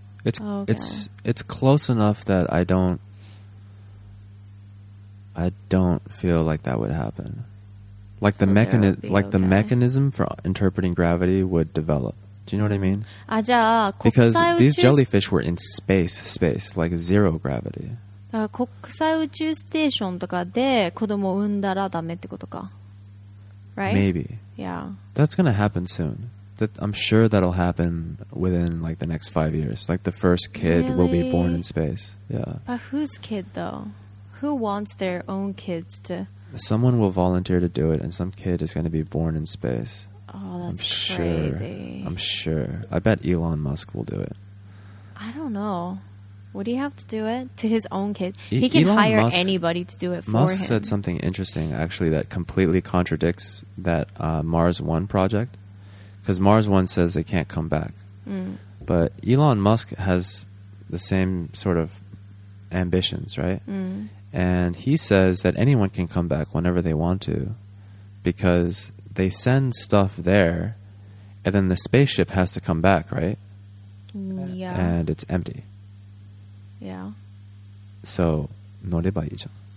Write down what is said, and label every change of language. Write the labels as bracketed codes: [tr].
[en] It's close enough that I don't feel like that would happen. Like the mechanism, for interpreting gravity would develop. Do you know what I mean? Because these jellyfish were in space, like zero gravity. [ja] だから国際宇宙ステーションとかで子供を産んだらダメってことか。 [en] Right? Maybe. Yeah. That's going to happen soon. I'm sure that'll happen within like the next 5 years. Like the first kid really? will be born in space. Yeah. But whose kid though? Who wants their own kids to... Someone will volunteer to do it, and some kid is going to be born in space. Oh, that's crazy. I'm sure. I bet Elon Musk will do it. I don't know. Would he have to do it to his own kid? He can hire anybody to do it for him. Musk said something interesting, actually, that completely contradicts that Mars One project. Because Mars One says they can't come back. But Elon Musk has the same sort of ambitions, right? And he says that anyone can come back whenever they want to, because they send stuff there, and then the spaceship has to come back, right? Yeah. And it's empty. Yeah. [ja] So, 乗ればいいじゃん。